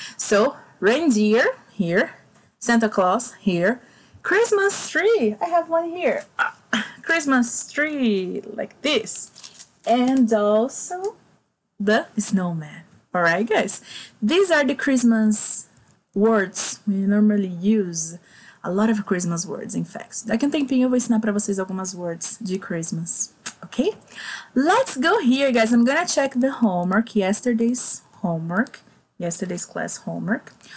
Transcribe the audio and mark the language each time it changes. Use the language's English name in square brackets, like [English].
[English] So, reindeer, here, Santa Claus, here, Christmas tree, I have one here, Christmas tree, like this, and also the snowman, alright guys? These are the Christmas words we normally use, a lot of Christmas words, in fact. [Portuguese] Daqui um tempinho eu vou ensinar para vocês algumas words de Christmas. [English] Okay, let's go here, guys. I'm gonna check the homework, yesterday's class homework.